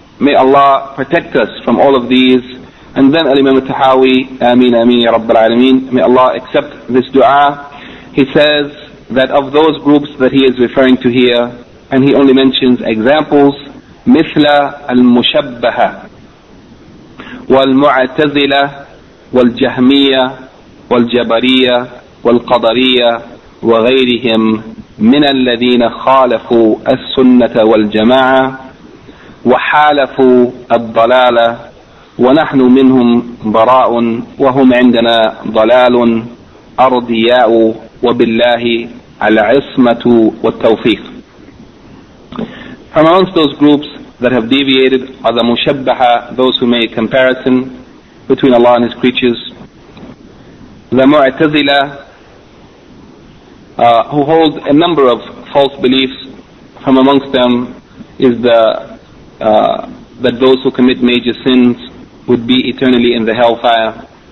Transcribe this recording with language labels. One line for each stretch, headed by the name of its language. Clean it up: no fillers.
English: May Allah protect us from all of these. And then Al-Imam At-Tahawi, Ameen, Ameen, Ya Rabbil Alameen, may Allah accept this dua. He says that of those groups that he is referring to here, and he only mentions examples,
Arabic: مثل المشبهة, والمعتزلة والجهمية والجبرية والقدرية وغيرهم من الذين خالفوا السنة والجماعة وحالفوا الضلالة، ونحن منهم براء وهم عندنا ضلال أرضياء، وبالله العصمة والتوفيق.
English: From amongst those groups that have deviated are the Mushabbaha, those who made comparison between Allah and His creatures, the Mu'tazila, who hold a number of false beliefs. From amongst them is that those who commit major sins would be eternally in the hellfire.